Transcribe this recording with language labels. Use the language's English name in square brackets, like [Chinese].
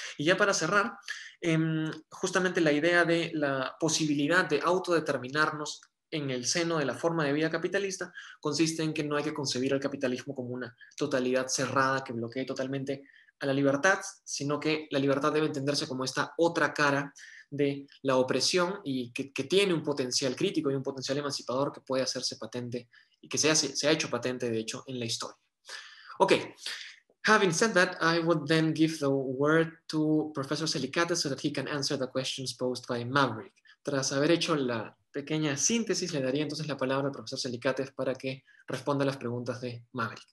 [Spanish] Y ya para cerrar, justamente la idea de la posibilidad de autodeterminarnos en el seno de la forma de vida capitalista consiste en que no hay que concebir al capitalismo como una totalidad cerrada que bloquee totalmente a la libertad, sino que la libertad debe entenderse como esta otra cara de la opresión y que tiene un potencial crítico y un potencial emancipador que puede hacerse patente y que se ha hecho patente, de hecho, en la historia. [English] Okay, having said that, I would then give the word to Professor Celikates so that he can answer the questions posed by Maverick. [Spanish] Tras haber hecho la pequeña síntesis, le daría entonces la palabra al profesor Celikates para que responda a las preguntas de Maverick.